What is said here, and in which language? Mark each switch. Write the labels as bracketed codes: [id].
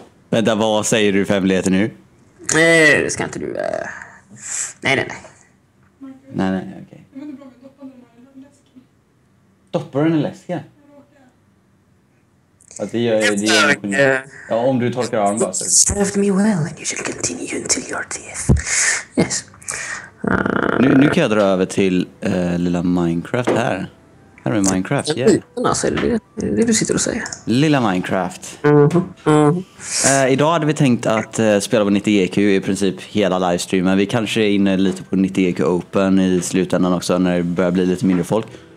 [sv] Vänta, vad säger du för hemligheter nu? Nej, det ska inte du. Nej, nej, nej. Nej, nej, okej. Doppar den i läskan? Att det gör det är ja, om du torkar armen bara. [en] Served me well and you should continue until your death. Yes. [sv] Nu kan jag dra över till lilla Minecraft här. Här är Minecraft, ja. [en] Yeah. [sv] Alltså, det du sitter och säger. Lilla Minecraft. Mm-hmm. Idag hade vi tänkt att spela på 90EQ i princip hela livestreamen. Vi kanske är inne lite på 90EQ Open i slutändan också när det börjar bli lite mindre folk.